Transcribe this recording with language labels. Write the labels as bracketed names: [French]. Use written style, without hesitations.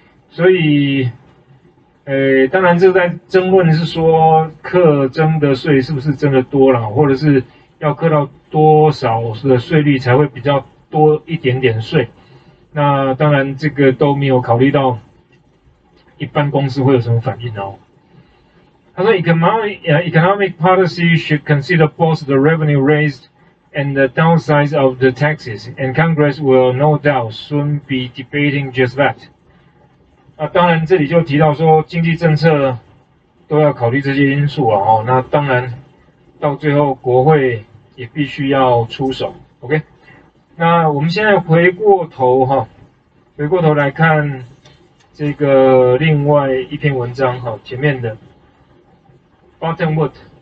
[Chinese] 所以，当然，这在争论是说课征的税是不是征的多了，或者是要课到多少的税率才会比较多一点点税？那当然，这个都没有考虑到一般公司会有什么反应哦。他说， [English] economic policy should consider both the revenue raised and the downsides of the taxes, and Congress will no doubt soon be debating just that。 [Chinese] 那当然，这里就提到说，经济政策都要考虑这些因素啊。那当然，到最后国会也必须要出手。 OK，那我们现在回过头来看这个另外一篇文章哈，前面的 Buttonwood。